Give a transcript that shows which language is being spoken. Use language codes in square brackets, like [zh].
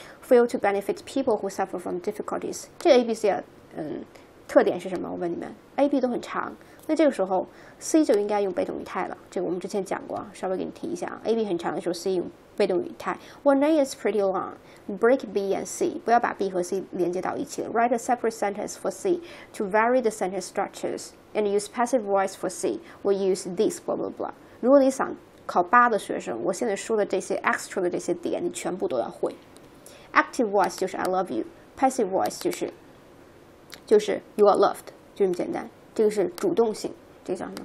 [en] Fail to benefit people who suffer from difficulties。 [zh] 这个 ABC 啊，特点是什么？我问你们 ，AB 都很长。那这个时候 C 就应该用被动语态了，这个我们之前讲过，稍微给你提一下 AB 很长的时候 C 用被动语态。 [en] One A is pretty long, break B and C， [zh] 不要把 B 和 C 连接到一起了。 [en] Write a separate sentence for C to vary the sentence structures and use passive voice for C. We use this blah blah blah。 [zh] 如果你想考八的学生，我现在说的这些 extra 的这些点你全部都要会。 [en] Active voice [zh] 就是 [en] I love you， passive voice 就是 you are loved， [zh] 就这么简单。这个是主动性，这叫什么？